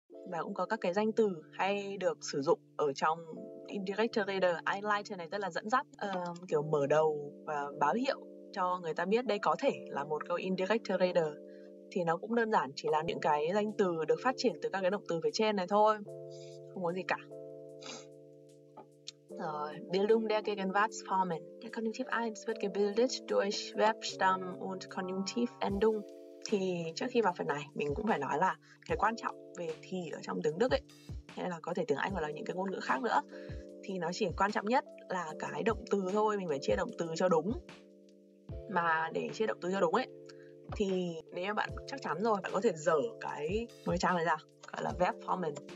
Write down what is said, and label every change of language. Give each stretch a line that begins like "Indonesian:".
Vietnamese: Và cũng có các cái danh từ hay được sử dụng ở trong indirectorator. Einleiten này tức là dẫn dắt, kiểu mở đầu và báo hiệu cho người ta biết đây có thể là một câu indirectorator. Thì nó cũng đơn giản, chỉ là những cái danh từ được phát triển từ các cái động từ phía trên này thôi, không có gì cả.
German: Rồi, Bildung der Gegenwartsformen. Der Konjunktiv 1 wird gebildet durch Verbstamm und Konjunktivendung.
Vietnamese: Thì trước khi vào phần này, mình cũng phải nói là cái quan trọng về thì ở trong tiếng Đức ấy, hay là có thể tiếng Anh hoặc là những cái ngôn ngữ khác nữa, thì nó chỉ quan trọng nhất là cái động từ thôi, mình phải chia động từ cho đúng. Mà để chia động từ cho đúng ấy, thì nếu bạn chắc chắn rồi, bạn có thể dở cái mới trang này ra, gọi là Verbformen.